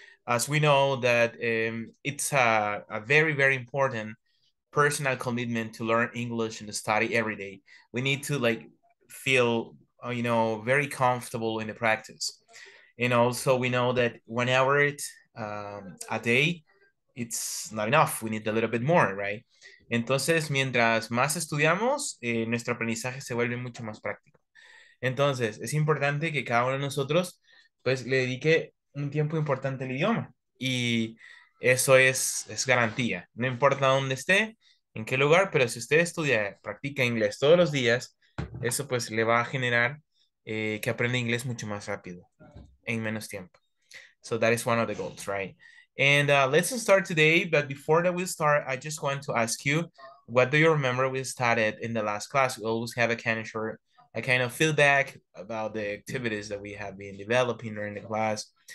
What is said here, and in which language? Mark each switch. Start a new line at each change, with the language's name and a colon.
English: As we know that it's a very, very important personal commitment to learn English and to study every day. We need to like feel, you know, very comfortable in the practice. And also we know that 1 hour a day, it's not enough. We need a little bit more, right?
Spanish: Entonces, mientras más estudiamos, nuestro aprendizaje se vuelve mucho más práctico. Entonces, es importante que cada uno de nosotros pues le dedique un tiempo importante al idioma. Y eso es garantía. No importa dónde esté, en qué lugar, pero si usted estudia, practica inglés todos los días, eso pues le va a generar que aprenda inglés mucho más rápido, en menos tiempo.
English: So that is one of the goals, right? And let's start today, but before that we start, I just want to ask you, what do you remember we started in the last class? We always have a kind of short a kind of feedback about the activities that we have been developing during the class.